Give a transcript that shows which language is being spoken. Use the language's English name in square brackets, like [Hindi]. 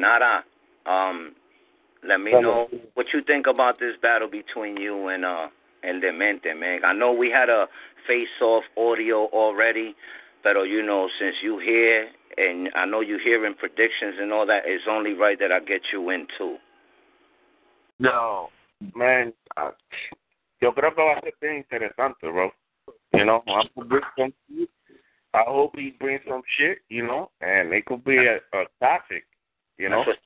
[English] Narra, let me know what you think about this battle between you and El Demente, man. I know we had a face-off audio already, but, you know, since you here, and I know you're hearing predictions and all that, it's only right that I get you in, too. [Spanish] No, man, yo creo que va a ser bien interesante, bro. [English] You know, I'm gonna bring some shit. I hope he brings some shit, you know, and it could be a topic, you know.